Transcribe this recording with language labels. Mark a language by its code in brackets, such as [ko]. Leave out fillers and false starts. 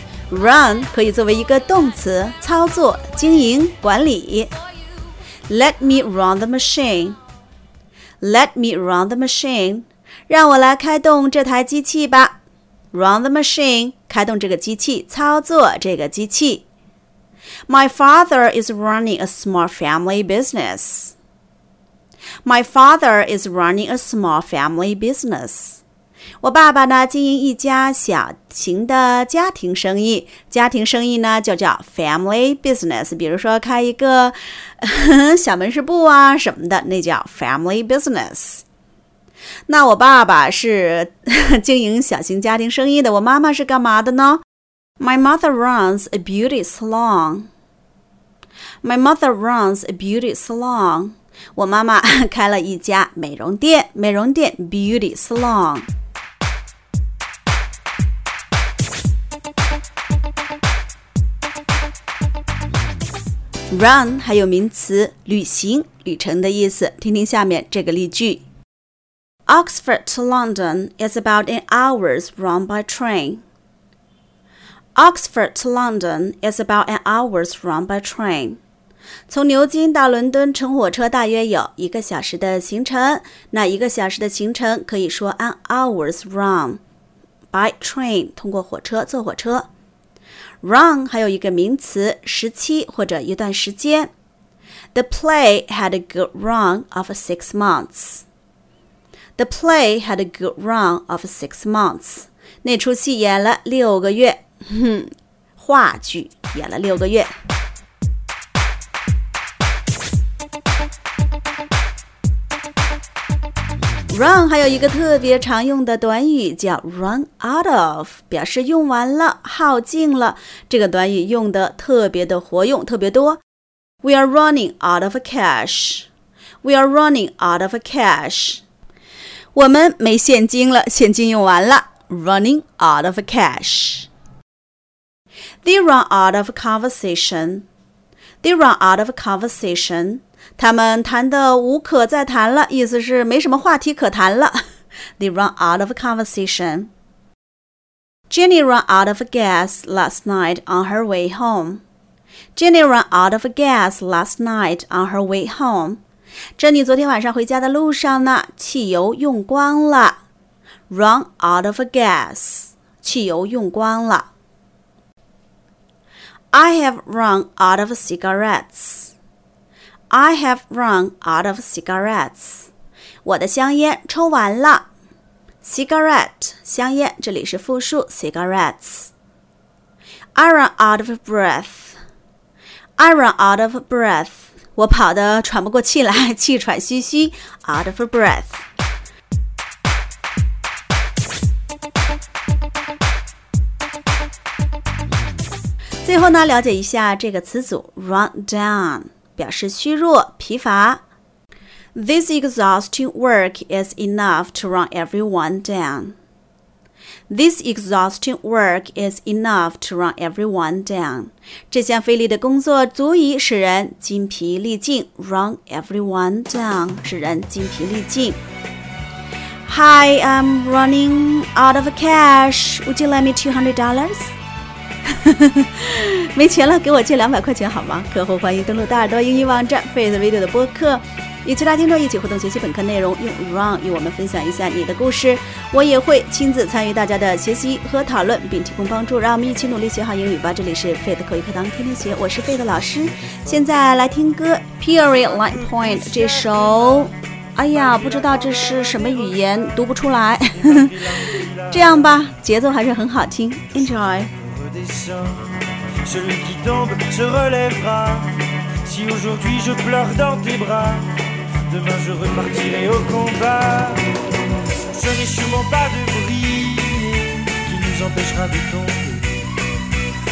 [zh] Run 可以作为一个动词，操作、经营、管理。 [en] Let me run the machine. Let me run the machine. [zh] 让我来开动这台机器吧。 [en] Run the machine. [zh] 开动这个机器，操作这个机器。 [en] My father is running a small family business. My father is running a small family business. [zh] 我爸爸呢，经营一家小型的家庭生意，家庭生意呢就叫 family business， 比如说开一个小门市部啊什么的，那叫 family business。那我爸爸是经营小型家庭生意的，我妈妈是干嘛的呢？ [en] My mother runs a beauty salon. My mother runs a beauty salon. [zh] 我妈妈开了一家美容店，美容店 beauty salon。 Run 还有名词旅行、旅程的意思，听听下面这个例句。 [en] Oxford to London is about an hour's run by train. Oxford to London is about an hour's run by train. [zh] 从牛津到伦敦乘火车大约有一个小时的行程，那一个小时的行程可以说 [en] an hour's run by train， [zh] 通过火车，坐火车。 Run 还有一个名词，时期或者一段时间。 [en] The play had a good run of 6 months. The play had a good run of 6 months. [zh] 那出戏演了六个月，话剧演了六个月。 Run 还有一个特别常用的短语叫 run out of， 表示用完了、耗尽了。这个短语用的特别的活用，特别多。 [en] We are running out of cash. We are running out of cash. [zh] 我们没现金了，现金用完了。 [en] Running out of cash. They run out of conversation. They run out of conversation. [zh] 他们谈得无可再谈了，意思是没什么话题可谈了。 [en] They run out of conversation. Jenny ran out of gas last night on her way home. Jenny ran out of gas last night on her way home. [zh] Jenny 昨天晚上回家的路上呢，汽油用光了。 [en] Run out of gas. [zh] 汽油用光了。 [en] I have run out of cigarettes. I have run out of cigarettes. [zh] 我的香烟抽完了。 Cigarette, 香烟，这里是复数 cigarettes. [en] I run out of breath. I run out of breath. [zh] 我跑得喘不过气来，气喘吁吁， [en] out of breath. [zh] (音)最后呢，了解一下这个词组 run down. 表示虚弱、疲乏。 [en] This exhausting work is enough to run everyone down. This exhausting work is enough to run everyone down. [zh] 这项费力的工作足以使人筋疲力尽。 [en] Run everyone down， [zh] 使人筋疲力尽。 [en] Hi, I'm running out of cash. Would you lend me $200? [zh] 没钱了，给我借200块钱好吗？客户欢迎登录大耳朵英语网站 Fade Video 的播客，与其他听众一起互动学习本课内容，用 Run 与我们分享一下你的故事，我也会亲自参与大家的学习和讨论，并提供帮助，让我们一起努力学好英语吧。这里是 Fade 口语课堂，天天学，我是 Fade 老师。现在来听歌 Period Line Point 这首哎呀，不知道这是什么语言，读不出来。这样吧，节奏还是很好听。 [en] Enjoy。 [fr] Celui qui tombe se relèvera. Si aujourd'hui je pleure dans tes bras, demain je repartirai au combat. Ce n'est sûrement pas de briller qui nous empêchera de tomber.